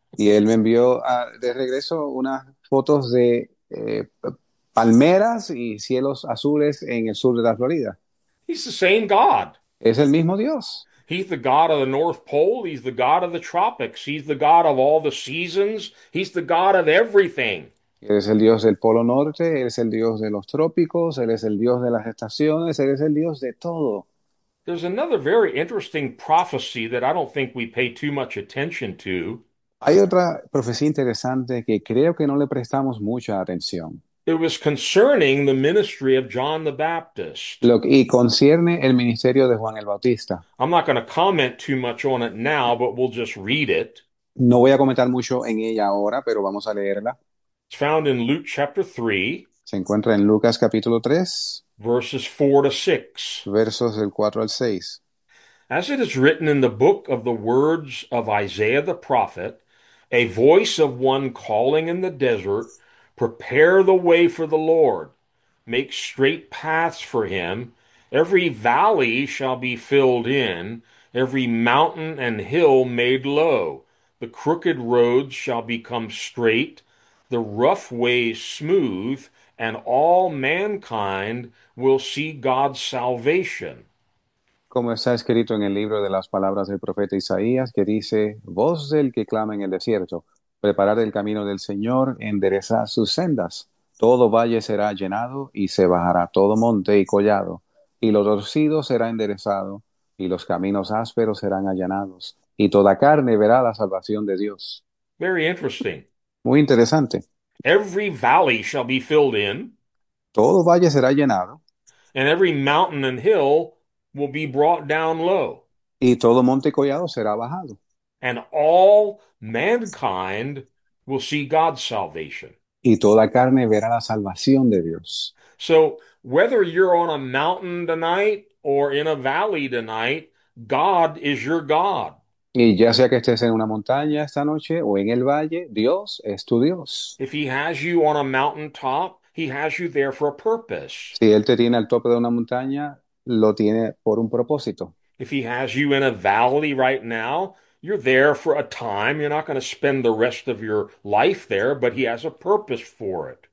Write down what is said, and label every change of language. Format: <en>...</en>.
<es>Y él me envió de regreso unas fotos de palmeras y cielos azules en el sur de la Florida.</es> <en>He's the same God.</en> <es>Es el mismo Dios.</es> <en>He's the God of the North Pole. He's the God of the tropics. He's the God of all the seasons. He's the God of everything.</en> <es>Él es el Dios del Polo Norte, él es el Dios de los trópicos, él es el Dios de las estaciones, él es el Dios de todo.</es> <en>There's another very interesting prophecy that I don't think we pay too much attention to.</en> <es>Hay otra profecía interesante que creo que no le prestamos mucha atención.</es> <en>It was concerning the ministry of John the Baptist.</en> <es>Y concierne el ministerio de Juan el Bautista.</es> <en>I'm not going to comment too much on it now, but we'll just read it.</en> <es>No voy a comentar mucho en ella ahora, pero vamos a leerla.</es> <en>It's found in Luke chapter 3,</en> <es>Se encuentra en Lucas capítulo 3,</es> <en>verses 4 to 6.</en> <es>versos del 4 al 6.</es> <en>As it is written in the book of the words of Isaiah the prophet, a voice of one calling in the desert, prepare the way for the Lord, make straight paths for him. Every valley shall be filled in, every mountain and hill made low. The crooked roads shall become straight, the rough ways smooth, and all mankind will see God's salvation.</en> <es>Como está escrito en el libro de las palabras del profeta Isaías, que dice: Voz del que clama en el desierto, preparad el camino del Señor, enderezad sus sendas. Todo valle será llenado y se bajará todo monte y collado, y lo torcido será enderezado, y los caminos ásperos serán allanados, y toda carne verá la salvación de Dios.</es> <en>Very interesting.</en> <es>Muy interesante.</es> <en>Every valley shall be filled in, and</en> <es>Todo valle será llenado.</es> <en>every mountain and hill will be brought down low.</en> <es>Y todo monte y collado será bajado.</es> <en>And all mankind will see God's salvation.</en> <es>Y toda carne verá la salvación de Dios.</es> <en>So, whether you're on a mountain tonight or in a valley tonight, God is your God.</en> <es>Y ya sea que estés en una montaña esta noche o en el valle, Dios es tu Dios.</es> <en>If he has you on a mountaintop, he has you there for a purpose.</en> <es>Si Él te tiene al tope de una montaña, lo tiene por un propósito.</es> <en>If he has you in a valley right now, you're there for a time. You're not going to spend the rest of your life there, but he has a purpose for it.</en>